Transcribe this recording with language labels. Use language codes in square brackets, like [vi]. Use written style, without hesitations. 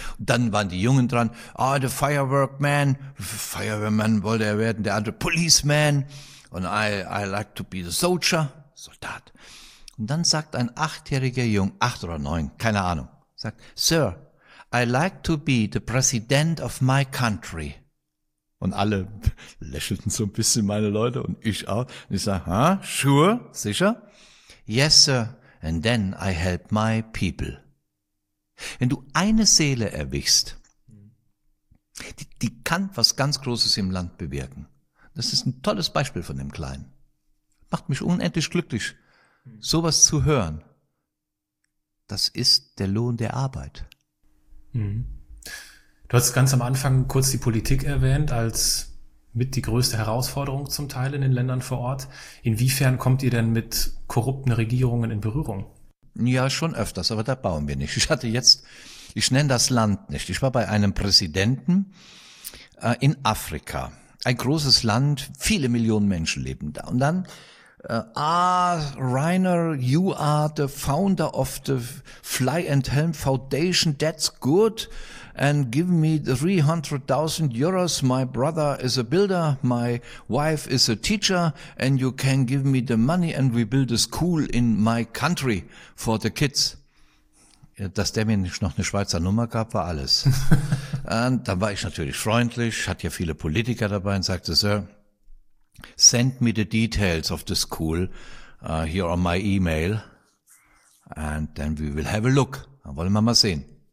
[de] Dann waren die Jungen dran, ah, the Fireman wollte er werden, der andere Policeman, und [en] I like to be the soldier, [de] Soldat. Und dann sagt ein 8-jähriger Junge, 8 oder 9, keine Ahnung, sagt, [en] Sir, I like to be the president of my country. [de] Und alle lächelten so ein bisschen, meine Leute, und ich auch. Und ich sage, huh? Sure, sicher? [en] Yes, sir, and then I help my people. [de] Wenn du eine Seele erwischst, die kann was ganz Großes im Land bewirken. Das ist ein tolles Beispiel von dem Kleinen. Macht mich unendlich glücklich, sowas zu hören. Das ist der Lohn der Arbeit. Du hast ganz am Anfang kurz die Politik erwähnt, als mit die größte Herausforderung zum Teil in den Ländern vor Ort. Inwiefern kommt ihr denn mit korrupten Regierungen in Berührung? Ja, schon öfters, aber da bauen wir nicht. Ich nenne das Land nicht. Ich war bei einem Präsidenten in Afrika. Ein großes Land, viele Millionen Menschen leben da. Und dann, [en] Rainer, you are the founder of the Fly and Helm Foundation, that's good. And give me 300.000 euros, my brother is a builder, my wife is a teacher, and you can give me the money and we build a school in my country for the kids. [de] Dass der mir nicht noch eine Schweizer Nummer gab, war alles. Und dann war ich natürlich freundlich, hatte ja viele Politiker dabei und sagte, [en] Sir, send me the details of the school here on my email and then we will have a look. [de] Dann wollen wir mal sehen.